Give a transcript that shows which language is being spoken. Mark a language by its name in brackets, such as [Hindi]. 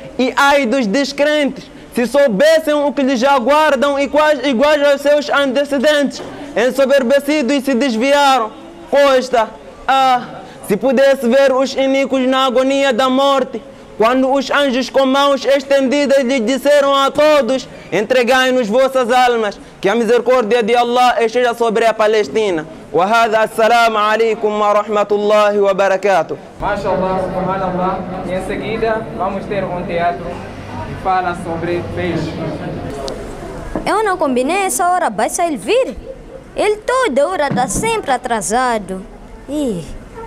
[Portuguese] E ai dos descrentes, se soubessem o que lhes aguardam e quase iguais aos seus antecedentes, ensoberbecidos e se desviaram. Costa, ah, se pudesse ver os iníquos na agonia da morte, quando os anjos com mãos estendidas lhes disseram a todos, entregai-nos vossas almas, que a misericórdia de Allah esteja sobre a Palestina. [Arabic] وهذا السلام عليكم ورحمة الله وبركاته. ما شاء الله سبحان الله. [Portuguese] من سعيدة vamos ter teatro que fala sobre peixe. Eu não combinei essa hora, basta ele vir. Ele toda hora está sempre atrasado. Espera.